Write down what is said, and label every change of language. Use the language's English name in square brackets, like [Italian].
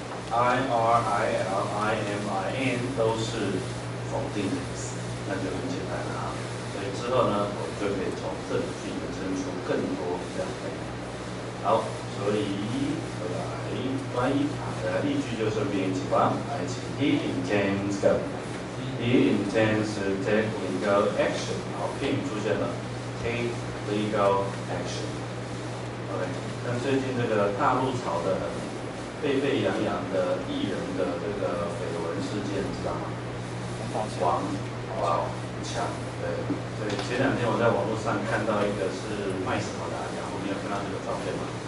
[Chinese] I-R-I-L-I-M-I-N 都是否定的意思，那就很简单了啊。所以之后呢，我就可以从这里去延伸出更多这样的。好，所以回来万一啊，大家例句就顺便一起吧。来，请 [English] He intends go. He intends to take legal action. [Chinese] 好，片语出现了 ， [English] take legal action. [Chinese] OK， 但最近这个大陆炒的。沸沸扬扬的艺人的这个绯闻事件，知道吗？王宝强，对，所以前两天我在网络上看到一个是卖什么的，然后你有看到这个照片吗？